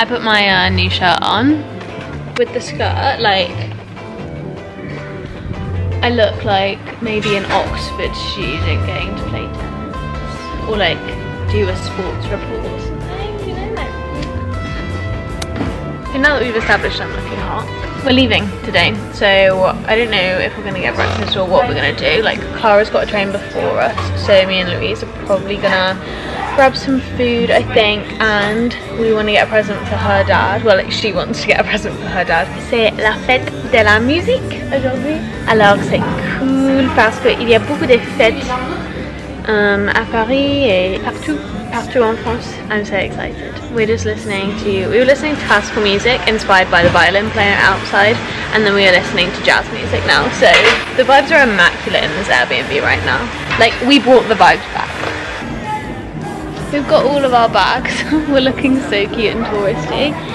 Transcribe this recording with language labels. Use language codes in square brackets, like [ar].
[en] I put my new shirt on with the skirt, like I look like maybe an Oxford student going to play tennis or like do a sports report or something, you know. Now that we've established I'm looking hot, we're leaving today, so I don't know if we're gonna get breakfast or what we're gonna do. Like, Clara's got a train before us, so me and Louise are probably gonna grab some food, I think, and we want to get a present for her dad. Well, like, she wants to get a present for her dad. [fr] C'est la fête de la musique aujourd'hui. Alors, c'est cool parce qu'il y a beaucoup de fêtes à Paris et partout en France. [en] I'm so excited. We were listening to classical music inspired by the violin player outside, and then we are listening to jazz music now. So the vibes are immaculate in this Airbnb right now. Like, we brought the vibes back. We've got all of our bags. We're looking so cute and touristy.